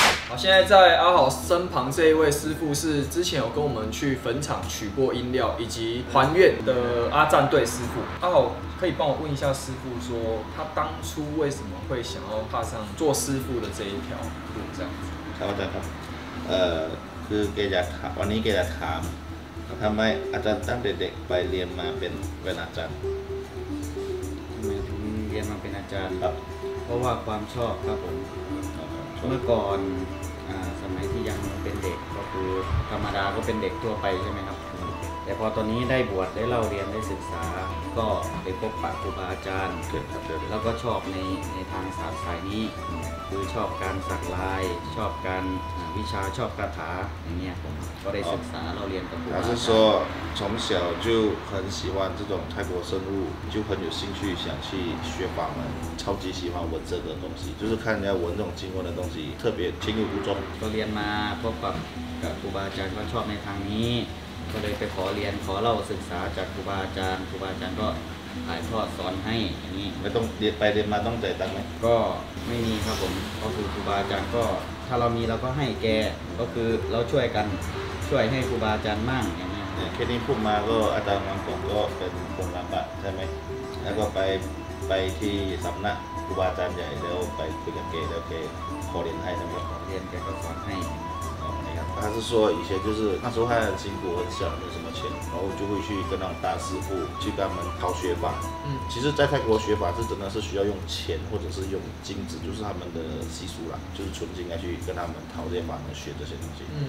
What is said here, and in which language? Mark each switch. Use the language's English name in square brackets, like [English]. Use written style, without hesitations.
[Chinese] 好，现在在阿豪身旁这一位师傅是之前有跟我们去坟场取过阴料以及还愿的阿赞队师傅。阿豪可以帮我问一下师傅，说他当初为什么会想要踏上做师傅的这一条路，这样子？好的，好， [Thai] คือแกจะถามวันนี้แกจะถามทำไมอาจารย์ตั้งเด็กๆไปเรียนมาเป็นอาจารย์ ทำไมถึงเรียนมาเป็นอาจารย์ครับ เพราะว่าความชอบครับผมเมื่อก่อนสมัยที่ยังเป็นเด็กก็คือธรรมดาก็เป็นเด็กทั่วไปใช่ไหมครับแต่พอตอนนี้ได้บวชได้เล่าเรียนได้ศึกษาก็ได้พบปะครูบาอาจารย์ แล้วก็ชอบในทางศาสตร์สายนี้คือชอบการสักลายชอบการวิชาชอบคาถาอย่างเงี้ยผมก็ได้ศึกษาเราเรียนกับครูบาอาจารย์ [Chinese] 他是说从小就很喜欢这种泰国生物就很有兴趣想去学法门超级喜欢纹这个东西就是看人家纹这种经文的东西特别情有独钟 [Thai] ก็เรียนมาพบปะกับครูบาอาจารย์ก็ชอบในทางนี้ก็เลยไปขอเรียนขอเล่าศึกษาจากครูบาอาจารย์ครูบาอาจารย์ก็ถ่ายทอดสอนให้อันนี้ไม่ต้องเรียนไปเรียนมาต้องจ่ายตังค์ไหม ก็ไม่มีครับผมก็คือครูบาอาจารย์ก็ถ้าเรามีเราก็ให้แกก็คือเราช่วยกันช่วยให้ครูบาอาจารย์มั่งอย่างนี้ แค่นี้พูดมาก็อาจารย์มังกรก็เป็นคนลำบากใช่ไหมแล้วก็ไปที่สำนักครูบาอาจารย์ใหญ่แล้วไปคุยกับแกแล้วแกขอเรียนให้ทั้งหมด ขอเรียนแกก็สอนให้ [Chinese] 他是说以前就是那时候他很辛苦很小没什么钱然后就会去跟那种大师傅去跟他们讨学法其实在泰国学法是真的是需要用钱或者是用金子就是他们的习俗啦就是存金来去跟他们讨这些法门学这些东西